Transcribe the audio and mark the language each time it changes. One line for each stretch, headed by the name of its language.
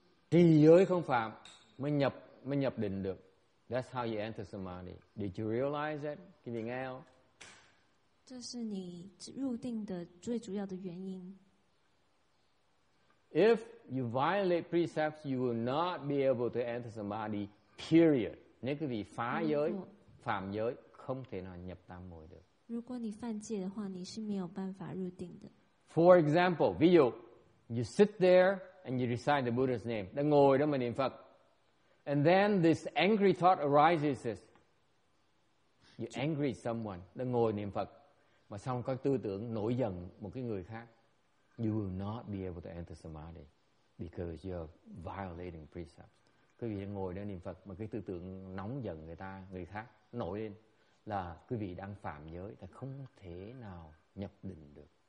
Vietnamese: Trì giới không phạm mới nhập định được.
English: That's how you enter samadhi. Did you realize that? Can you nghe?
Chinese: 这是你入定的最主要的原因.
English: If you violate precepts, you will not be able to enter samadhi. Period.
Vietnamese: Nếu quý vị phá giới, phạm giới, không thể nào nhập tam muội được.
Chinese: 如果你犯戒的话, 你是没有办法入定的.
English: For example,
Vietnamese: ví dụ,
English: you sit there and you recite the Buddha's name.
Vietnamese: Đang ngồi đó mà niệm Phật.
English: And then this angry thought arises. You angry someone.
Vietnamese: Đang ngồi niệm Phật. Mà xong có tư tưởng nổi giận một cái người khác.
English: You will not be able to enter samadhi because you're violating precepts.
Vietnamese: Quý vị đang ngồi đó niệm Phật mà cái tư tưởng nóng giận người ta, người khác nổi lên là quý vị đang phạm giới, ta không thể nào nhập định được.